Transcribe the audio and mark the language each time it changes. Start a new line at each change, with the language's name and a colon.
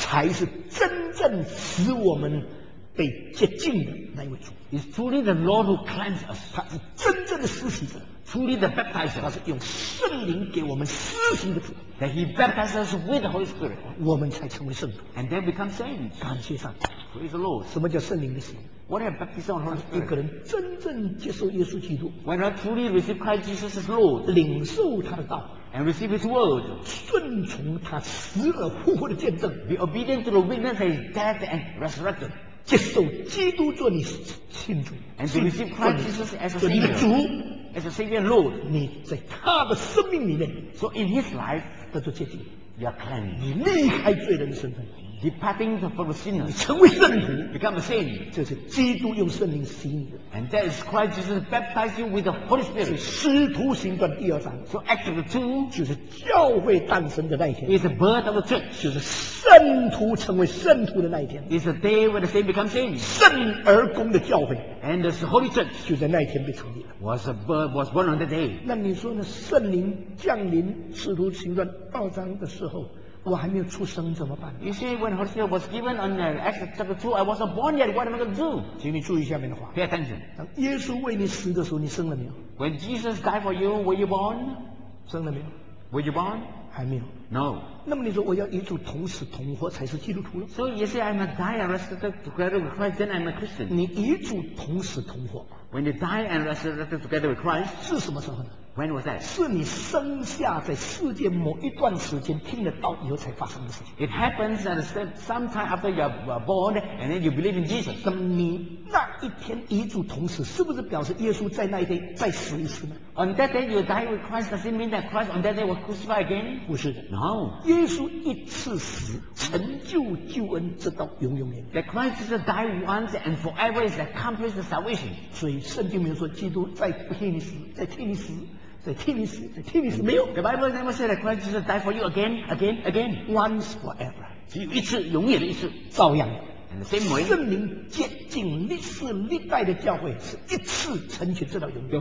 Chinese: 才是真正使我们被洁净的那一位主。
English: Is truly the Lord who cleanses us.
Chinese: 他是真正的施洗者。
English: Truly the baptizer.
Chinese: 他是用圣灵给我们施洗的主。
English: That he baptizes us with the Holy Spirit.
Chinese: 我们才成为圣徒。
English: And then become saints.
Chinese: 感谢上帝。
English: Praise the Lord.
Chinese: 什么叫圣灵的洗？
English: What have baptism on Holy Spirit?
Chinese: 一个人真正接受耶稣基督。
English: When I truly receive Christ Jesus as Lord.
Chinese: 领受他的道。
English: And receive his word.
Chinese: 顺从他死而复活的见证。
English: Be obedient to the witness of his death and resurrection.
Chinese: 接受基督做你信主。
English: And to receive Christ Jesus as a savior.
Chinese: 主。
English: As a savior and Lord.
Chinese: 你在他的生命里面。
English: So in his life.
Chinese: 得到洁净。
English: You are cleansed.
Chinese: 你离开罪人的身份。
English: Departing from sinners,
Chinese: 你成为圣徒
English: ，become a saint.
Chinese: 这是基督用圣灵洗你的
English: ，and that is Christ Jesus baptizing with the Holy Spirit.
Chinese: 使徒行传第二章
English: ，so Acts 2
Chinese: 就是教会诞生的那一天
English: ，is the birth of the church.
Chinese: 就是圣徒成为圣徒的那一天
English: ，is the day when the saint becomes saint.
Chinese: 圣而公的教会
English: ，and the Holy Church
Chinese: 就在那一天被成立了
English: ，was born on that day.
Chinese: 那你说呢？圣灵降临使徒行传二章的时候。我还没有出生怎么办？
English: You see, when Hosea was given on Acts chapter 2, I wasn't born yet, what am I going to do?
Chinese: 请你注意下面的话。
English: Pay attention.
Chinese: 当耶稣为你死的时候，你生了没有？
English: When Jesus died for you, were you born?
Chinese: 生了没有？
English: Were you born?
Chinese: 还没有。
English: No.
Chinese: 那么你说我要与主同死同活才是基督徒了？
English: So you say, I must die and resurrect together with Christ, then I'm a Christian.
Chinese: 你与主同死同活。
English: When you die and resurrect together with Christ,
Chinese: 是什么时候呢？
English: When was that?
Chinese: 是你生下在世界某一段时间听了道以后才发生的事情。
English: It happens that sometime after you are born and then you believe in Jesus.
Chinese: 那么你那一天与主同死，是不是表示耶稣在那一天再死一次呢？
English: On that day you die with Christ, does it mean that Christ on that day was crucified again?
Chinese: 不是的。
English: No.
Chinese: 耶稣一次死，成就救恩，直到永永远远。
English: That Christ just died once and forever is accomplished the salvation.
Chinese: 所以圣经没有说基督再替你死，再替你死。在替你死，在替你死，没有。
English: The Bible never said that Christ Jesus died for you again, again, again, once forever.
Chinese: 只有一次，永远的一次，照样。
English: And the same way,
Chinese: 圣灵洁净历世历代的教会是一次成全，直到永远。